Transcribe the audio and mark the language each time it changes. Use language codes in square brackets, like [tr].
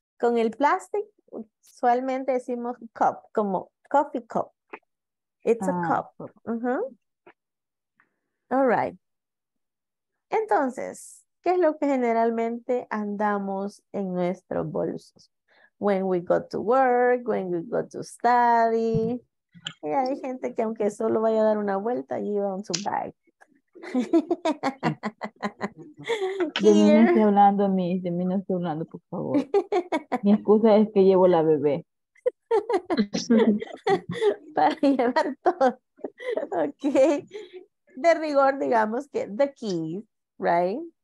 [es] Con el plastic, usualmente decimos cup, como coffee cup. [en] It's a cup. Uh-huh. All right. [es] Entonces, ¿qué es lo que generalmente andamos en nuestros bolsos? [en] When we go to work, when we go to study. [es] Y hay gente que aunque solo vaya a dar una vuelta, lleva un su bag. De mí no estoy hablando, Miss. De mí no estoy hablando, por favor. Mi excusa es que llevo la bebé. Para llevar todo. Ok. De rigor, digamos que [en] the keys, right?